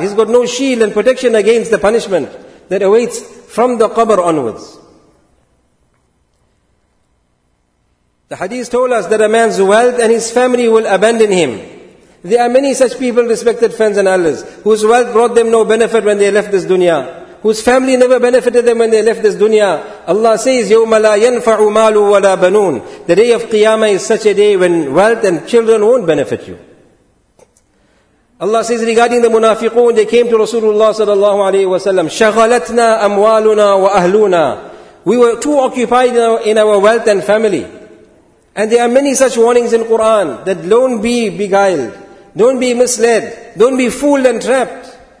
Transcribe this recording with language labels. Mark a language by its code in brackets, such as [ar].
[en] He's got no shield and protection against the punishment that awaits from the qabr onwards. The hadith told us that a man's wealth and his family will abandon him. There are many such people, respected friends and elders, whose wealth brought them no benefit when they left this dunya, whose family never benefited them when they left this dunya. Allah says, [ar] يَوْمَ لَا يَنْفَعُ مَالُ وَلَا بَنُونَ. [en] The day of Qiyamah is such a day when wealth and children won't benefit you. Allah says regarding the munafiqun, they came to Rasulullah sallallahu alaihi wasallam, [ar] شَغَلَتْنَا أَمْوَالُنَا وَأَهْلُونَا. [en] We were too occupied in our wealth and family. And there are many such warnings in Quran that don't be beguiled, don't be misled, don't be fooled and trapped.